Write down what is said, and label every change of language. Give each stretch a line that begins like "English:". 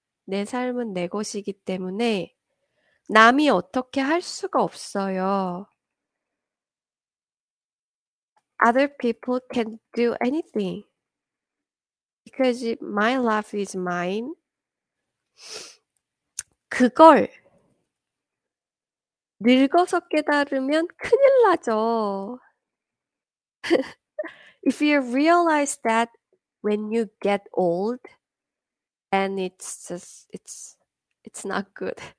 Korean: 내 삶은 내 것이기 때문에, 남이 어떻게 할 수가 없어요.
English: other people can do anything because my life is mine.
Korean: 그걸 늙어서 깨달으면 큰일 나죠.
English: If you realize that when you get old, and it's just it's not good.